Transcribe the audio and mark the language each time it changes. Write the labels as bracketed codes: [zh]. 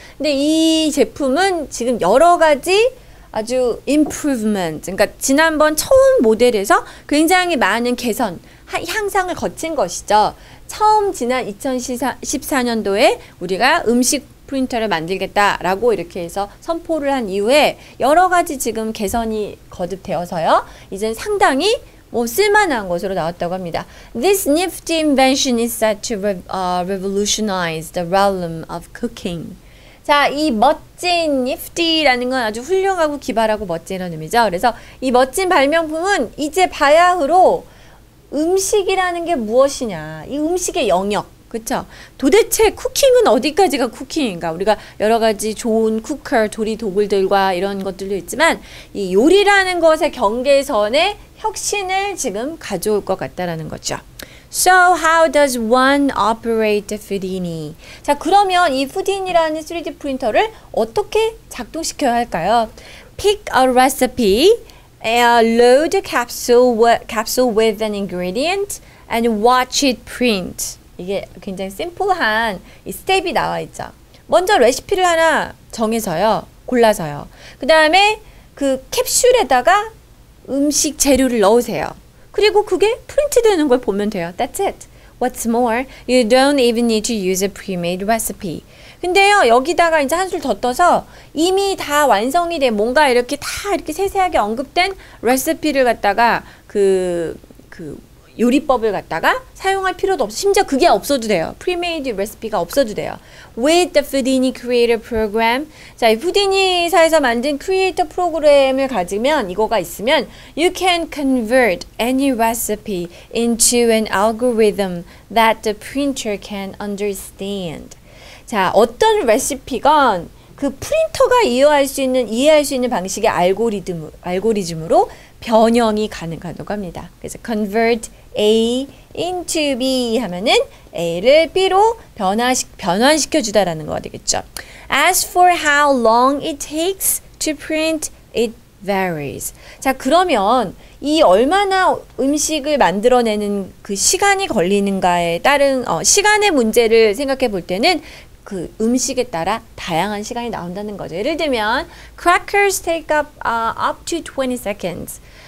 [ko] 근데 이 제품은 지금 여러 가지 아주 improvement, 그러니까 지난번 처음 모델에서 굉장히 많은 개선, 향상을 거친 것이죠. 처음 지난 2014년도에 우리가 음식 프린터를 만들겠다라고 이렇게 해서 선포를 한 이후에 여러 가지 지금 개선이 거듭되어서요. 이제 상당히 뭐 쓸만한 것으로 나왔다고 합니다. [en] This nifty invention is set to revolutionize the realm of cooking. [ko] 자, 이 멋진 nifty라는 건 아주 훌륭하고 기발하고 멋진 이런 의미죠. 그래서 이 멋진 발명품은 이제 바야흐로 음식이라는 게 무엇이냐, 이 음식의 영역, 그쵸? 도대체 쿠킹은 어디까지가 쿠킹인가? 우리가 여러 가지 좋은 쿠커, 조리 도구들과 이런 것들도 있지만 이 요리라는 것의 경계선에 혁신을 지금 가져올 것 같다라는 거죠. [en] So how does one operate Fudini? [ko] 자, 그러면 이 푸딘이라는 3D 프린터를 어떻게 작동시켜야 할까요? [en] Pick a recipe, load a capsule with an ingredient, and watch it print. [ko] 이게 굉장히 심플한 이 스텝이 나와 있죠. 먼저 레시피를 하나 정해서요, 골라서요. 그 다음에 그 캡슐에다가 음식 재료를 넣으세요. 그리고 그게 프린트되는 걸 보면 돼요. [en] That's it. What's more, you don't even need to use a pre-made recipe. [ko] 근데요, 여기다가 이제 한술 더 떠서 이미 다 완성이 된 뭔가 이렇게 다 이렇게 세세하게 언급된 레시피를 갖다가 그 요리법을 갖다가 사용할 필요도 없어. 심지어 그게 없어도 돼요. [en] Pre-made recipe가 [ko] 없어도 돼요. [en] With the Fudini Creator Program. [ko] 자, 이 푸디니사에서 만든 크리에이터 프로그램을 가지면 이거가 있으면 [en] You can convert any recipe into an algorithm that the printer can understand. [ko] 자, 어떤 레시피건 그 프린터가 이해할 수 있는 방식의 알고리즘으로 변형이 가능하다고 합니다. 그래서 [en] convert A into B [ko] 하면은 A를 B로 변환시켜 주다라는 거 되겠죠. [en] As for how long it takes to print, it varies. [ko] 자, 그러면 이 얼마나 음식을 만들어내는 그 시간이 걸리는가에 따른 시간의 문제를 생각해 볼 때는 그 음식에 따라 다양한 시간이 나온다는 거죠. 예를 들면 [en] crackers take up to 20 seconds.